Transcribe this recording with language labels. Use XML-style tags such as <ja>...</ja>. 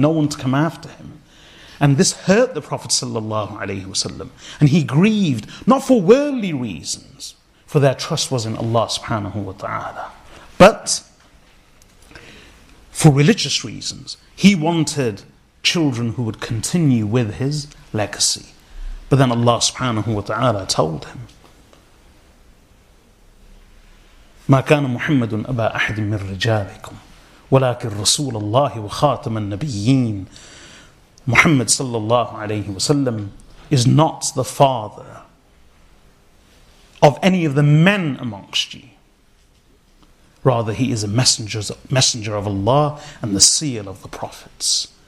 <en>No one to come after him. And this hurt the Prophet sallallahu alayhi wa sallam. And he grieved, not for worldly reasons, for their trust was in Allah subhanahu wa ta'ala, but for religious reasons. He wanted children who would continue with his legacy. But then Allah subhanahu wa ta'ala told him,</en> <ar>مَا كَانَ مُحَمَّدٌ أَبَا أَحْدٍ مِنْ رِجَالِكُمْ وَلَكِنْ رَسُولَ اللَّهِ وَخَاتَمَ النَّبِيِّينَ.</ar> <en>Muhammad sallallahu alayhi wa sallam is not the father of any of the men amongst you. Rather, he is a messenger of Allah and the seal of the prophets.</en>